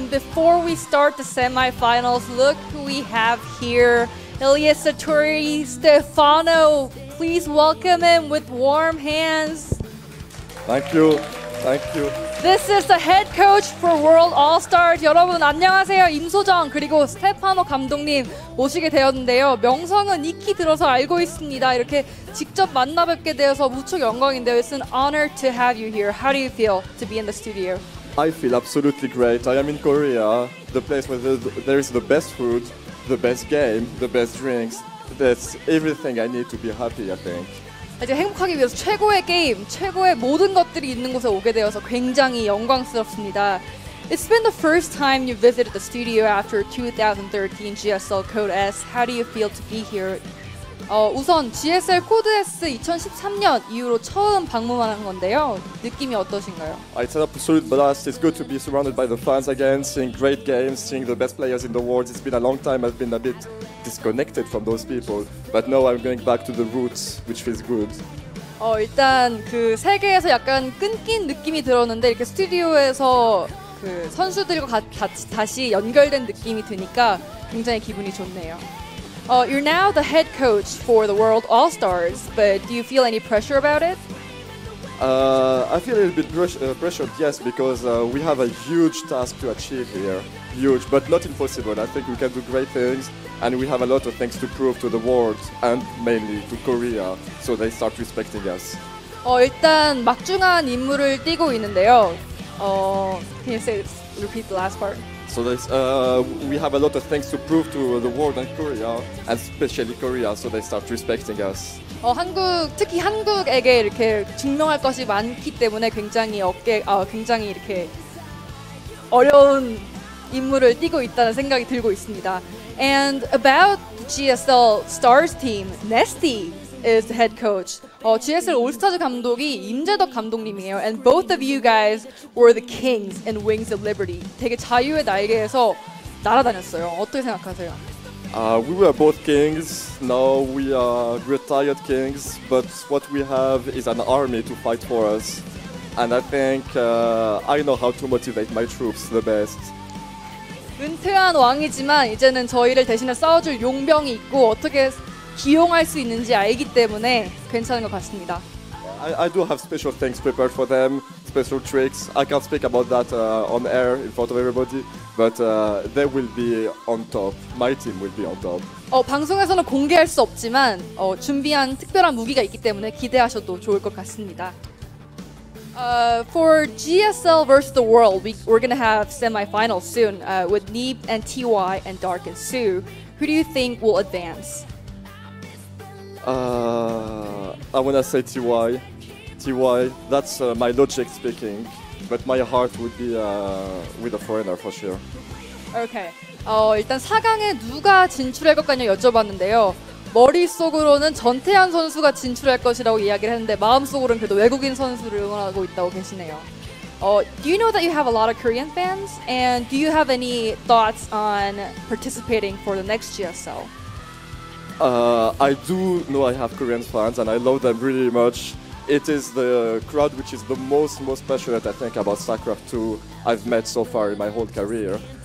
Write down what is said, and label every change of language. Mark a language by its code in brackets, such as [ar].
[en] And before we start the semifinals, look who we have here. Ilya Satori, Stefano, please welcome him with warm hands. Thank you. Thank you. This is the head coach for World All-Stars. [ko] 여러분, 안녕하세요. 임소정, 그리고 스테파노 감독님 모시게 되었는데요. 명성은 익히 들어서 알고 있습니다. 이렇게 직접 만나 뵙게 되어서 무척 영광인데요. [en] It's an honor to have you here. How do you feel to be in the studio? I feel absolutely great. I am in Korea, the place where there is the best food, the best game, the best drinks. That's everything I need to be happy, I think. [ko] 이제 행복하기 위해서 최고의 게임, 최고의 모든 것들이 있는 곳에 오게 되어서 굉장히 영광스럽습니다. [en] It's been the first time you visited the studio after 2013 GSL Code S. How do you feel to be here? [ko] 우선 GSL Code S 2013년 이후로 처음 방문하는 건데요. 느낌이 어떠신가요? [en] It's an absolute blast. It's good to be surrounded by the fans again, seeing great games, seeing the best players in the world. It's been a long time. I've been a bit disconnected from those people. But now I'm going back to the roots, which feels good. [ko] 일단 그 세계에서 약간 끊긴 느낌이 들었는데 이렇게 스튜디오에서 그 선수들과 다시 연결된 느낌이 드니까 굉장히 기분이 좋네요. [en] You're now the head coach for the World All-Stars, but do you feel any pressure about it? I feel a little bit pressured, yes, because we have a huge task to achieve here. Huge, but not impossible. I think we can do great things, and we have a lot of things to prove to the world, and mainly to Korea, so they start respecting us. [ko] 일단 막중한 임무를 띄고 있는데요. [en] Can you repeat the last part? So we have a lot of things to prove to the world and Korea, and especially Korea, so they start respecting us. [ko] 한국, 특히 한국에게 이렇게 증명할 것이 많기 때문에 굉장히 굉장히 이렇게 어려운 임무를 띄고 있다는 생각이 들고 있습니다. [en] And about GSL Stars team, Nesty is the head coach. [ko] GSL All-Stars 감독이 임재덕 감독님이에요. [en] And both of you guys were the kings in Wings of Liberty. [ko] 되게 자유의 날개에서 날아다녔어요. 어떻게 생각하세요? [en] We were both kings, now we are retired kings, but what we have is an army to fight for us. And I think I know how to motivate my troops the best. [ko] 은퇴한 왕이지만 이제는 저희를 대신해 싸워줄 용병이 있고 어떻게 기용할 수 있는지 알기 때문에 괜찮은 것 같습니다. [en] I do have special things prepared for them, special tricks. I can't speak about that on air in front of everybody, but they will be on top. My team will be on top. [ko] 방송에서는 공개할 수 없지만 준비한 특별한 무기가 있기 때문에 기대하셔도 좋을 것 같습니다. [en] For GSL versus the world, we're going to have semi-finals soon with Neep and TY and Dark and Sue. Who do you think will advance? I want to say TY. TY, that's my logic speaking, but my heart would be with a foreigner for sure. Okay. [ko] 일단 4강에 누가 진출할 것 같냐 여쭤봤는데요. 머릿속으로는 전태현 선수가 진출할 것이라고 이야기를 했는데 마음속으로는 그래도 외국인 선수를 응원하고 있다고 계시네요. [en] Do you know that you have a lot of Korean fans? And do you have any thoughts on participating for the next GSL? I do know I have Korean fans and I love them really much. It is the crowd which is the most passionate, I think, about StarCraft 2 I've met so far in my whole career.